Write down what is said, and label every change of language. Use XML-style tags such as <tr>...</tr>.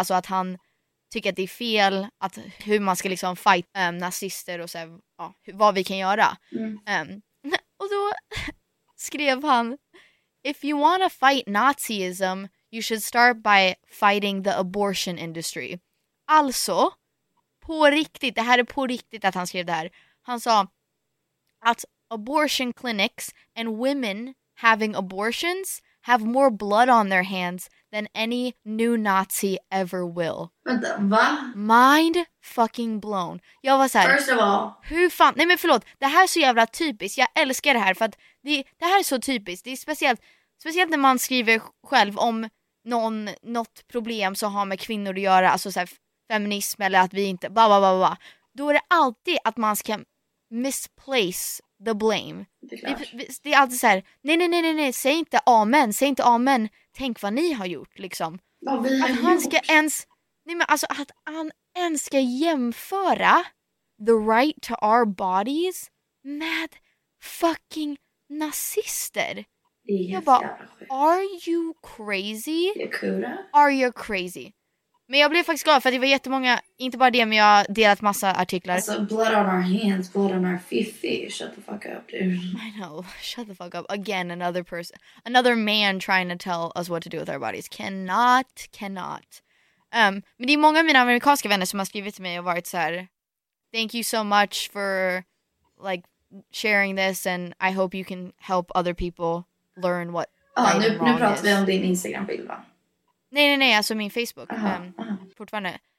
<sv>Alltså att han tycker att det är fel att hur man ska liksom fight nazister och så här, ja, vad vi kan göra. Mm. Och då skrev han</sv> <en>if you want to fight Nazism you should start by fighting the abortion industry.</en> <sv>Alltså, på riktigt, det här är på riktigt att han skrev det här. Han sa att</sv> <en>abortion clinics and women having abortions have more blood on their hands than any new Nazi ever will.</en> <sv>Vänta, va?</sv> <en>Mind fucking blown.</en> <sv>Jag var såhär,</sv> <en>first of all,</en> <sv>hur fan, nej men förlåt, det här är så jävla typiskt, jag älskar det här för att det här är så typiskt, det är speciellt när man skriver själv om något problem som har med kvinnor att göra, alltså såhär feminism eller att vi inte, bla bla bla bla, då är det alltid att man ska</sv> <en>misplace the blame.</en> <sv>Det är alltid så här, nej, säg inte amen, tänk vad ni har gjort liksom. Att han gjort. Ska ens, nej men alltså att han ens ska jämföra</sv> <en>the right to our bodies</en> <sv>med fucking nazister. Jag bara,</sv> <en>are you crazy? Yakuda? Are you crazy?</en> <sv>Men jag blev faktiskt glad för att det var jättemånga, inte bara det, men jag har delat massa artiklar.</sv> <en>Alltså, blood on our hands, blood on our fifi. Shut the fuck up, dude. I know, shut the fuck up. Again, another person, another man trying to tell us what to do with our bodies. Cannot.</en> <sv>Men det är många av mina amerikanska vänner som har skrivit till mig och varit såhär,</sv> <en>thank you so much for, like, sharing this and I hope you can help other people learn what</en> <sv>nu pratar vi om din Instagram-bild, va? Nej, alltså min Facebook. Fortfarande.</sv>